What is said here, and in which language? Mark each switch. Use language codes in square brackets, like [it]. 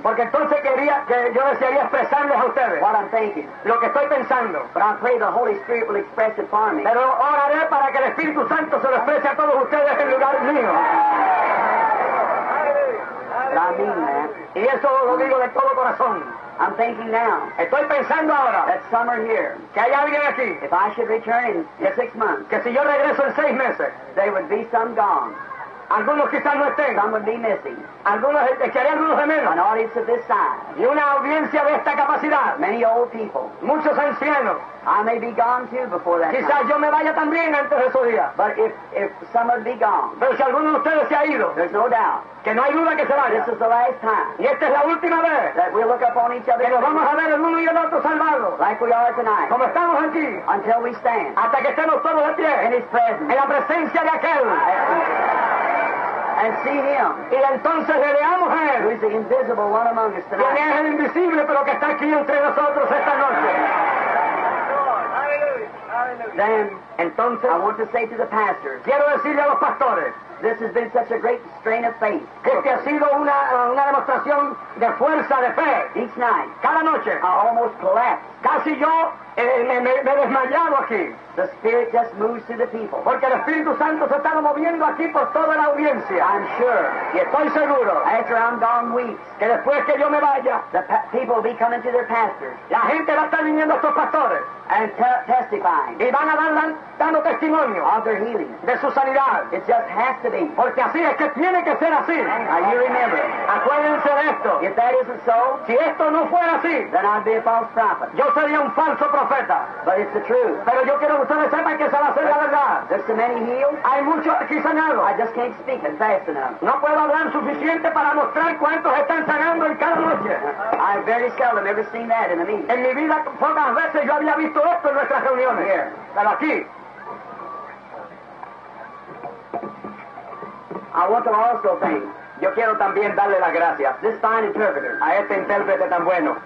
[es] Porque entonces quería que yo desearía expresarles a ustedes. [en] What I'm thinking. [es] Lo que estoy pensando. [en] But I pray the Holy Spirit will express it for me. [es] Pero oraré para que el Espíritu Santo se lo exprese a todos ustedes en lugar mío. [en] I mean that. [es] Y eso lo digo de todo corazón. [en] I'm thinking now. [es] Estoy pensando ahora. [en] That some are here. [es] Que hay alguien aquí. [en] If I should return in 6 months. [es] Que si yo regreso en 6 meses. [en] There would be some gone. [es] Algunos quizás no estén. [en] Some would be missing. [es] Algunos echarían unos de menos. [en] An audience of this size. [es] Y una audiencia de esta capacidad. [en] Many old people. [es] Muchos ancianos. [en] I may be gone too before that. [es] Quizás [en] time. [es] Yo me vaya también antes de esos días. [en] But if some would be gone. [es] Pero si alguno de ustedes se ha ido. [en] There's no doubt. [es] Que no hay duda que se vaya. [en] This is the last time. [es] Y esta es la última vez. [en] That we'll look upon each other. [es] Que nos vamos a ver el uno y el otro salvados. [en] Like we are tonight. [es] Como estamos aquí. [en] Until we stand. [es] Hasta que estemos todos de pie. [en] In his presence. [es] En la presencia de aquel. [en] And see him. [es] Y entonces le veamos a él. [en] Who is the invisible one among us tonight. [es] Quien es el invisible pero que está aquí entre nosotros esta noche. [en] Then, [es] entonces, [en] I want to say to the pastors. [es] Quiero decirle a los pastores. [en] This has been such a great strain of faith. [es] Este ha sido una demostración de fuerza de fe. [en] Each night, [es] cada noche, [en] I almost collapsed. [es] Casi yo me desmayado aquí. [en] The Spirit just moves through the people. [es] Porque el Espíritu Santo se estaba moviendo aquí por toda la audiencia. [en] I'm sure. [es] Y estoy seguro. [en] After I'm gone weeks, [es] que después que yo me vaya, [en] the people will be coming to their pastors. [es] La gente va a estar viniendo a sus pastores. [en] And testifying. [es] Y van a dar dando testimonio. [en] Of their healing. [es] De su sanidad. [en] It just has to be. [es] Porque así es que tiene que ser así. [en] Now you remember. [es] Acuérdense de esto. [en] If that isn't so, [es] si esto no fuera así, [en] then I'd be a false prophet. [es] Yo sería un falso profeta. [en] But it's the truth. [es] Pero yo quiero que ustedes sepan que esa va a ser la verdad. [en] There's so many healed. [es] Hay muchos aquí sanados. [en] I just can't speak it fast enough. [es] No puedo hablar suficiente para mostrar cuántos están sanando en cada noche. [en] I very seldom ever seen that in a meeting. [es] En mi vida pocas veces yo había visto esto en nuestras reuniones. [en] Here. [es] Pero aquí. [en] I want to also thank. [es] Yo quiero también darle las gracias. [en] This fine interpreter. [es] A este intérprete tan bueno.